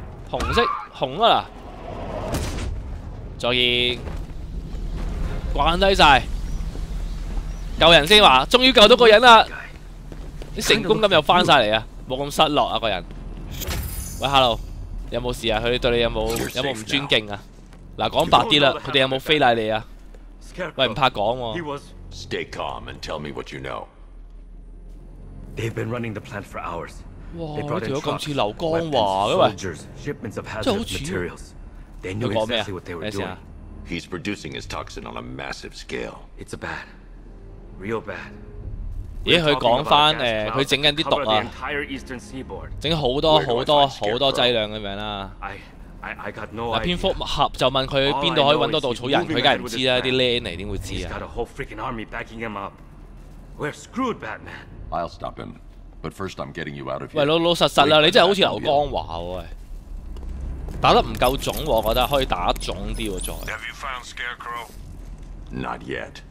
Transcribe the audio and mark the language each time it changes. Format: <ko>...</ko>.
<yue>红色，红啊！再见，关低晒，救人先话，终于救到个人啦！啲成功感又翻晒嚟啊，冇咁失落啊个人。喂 ，hello， 有冇事啊？佢对你有冇唔尊敬啊？嗱，讲白啲啦，佢哋有冇非礼你啊？喂，唔怕讲喎。</yue> <en>Stay calm and tell me what you know. They've been running the plant for hours.</en> <yue>哇，呢条友咁似刘江华嘅喂，真系好似。佢讲咩啊？咩事啊</yue> <en>？He's producing his toxin on a massive scale. It's a bad, real bad.</en> <yue>咦，佢讲翻诶，佢整紧啲毒啊，整好多好多好多剂量咁样啦。嗱，蝙蝠侠就问佢边度可以揾到稻草人，佢梗系唔知啦，啲僆嚟点会知啊</yue> <en>？He's got a whole freaking army backing him up. We're screwed, Batman. I'll stop him, but first I'm getting you out of here.</en> <yue>喂，老老实实啦，你真系好似刘江华喎，打得唔够肿，我觉得可以打肿啲喎，再。</yue> <en>Have you found Scarecrow? Not yet.</en>